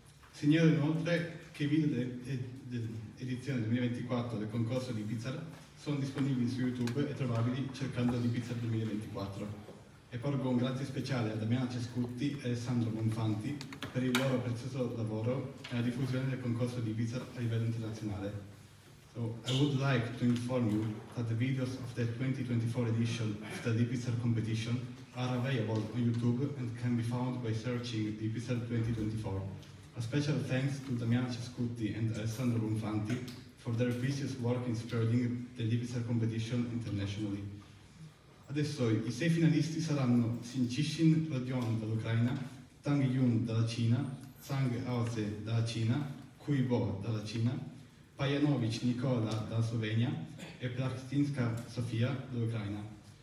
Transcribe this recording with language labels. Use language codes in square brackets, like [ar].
[it] Segnalo inoltre che i video dell'edizione 2024 del concorso di Lipitor sono disponibili su YouTube e trovabili cercando Lipitor 2024. E porgo un grazie speciale a Damiana Cescutti e Alessandro Bonfanti per il loro prezioso lavoro e la diffusione del concorso di Lipitor a livello internazionale. [en] So, I would like to inform you that the videos of the 2024 edition of the Lipitor competition are available on YouTube and can be found by searching Lipitor 2024. A special thanks to Damiana Cescutti and Alessandro Bonfanti for their vicious work in spreading the Lipitor competition internationally. [it] Adesso i sei finalisti saranno Xin Qixin Rodion dall'Ucraina, Tang Yun dalla Cina, Zhang Aoze dalla Cina, Kui Bo dalla Cina, Pajanovic Nicola dalla Slovenia e Plastinska Sofia dall'Ucraina.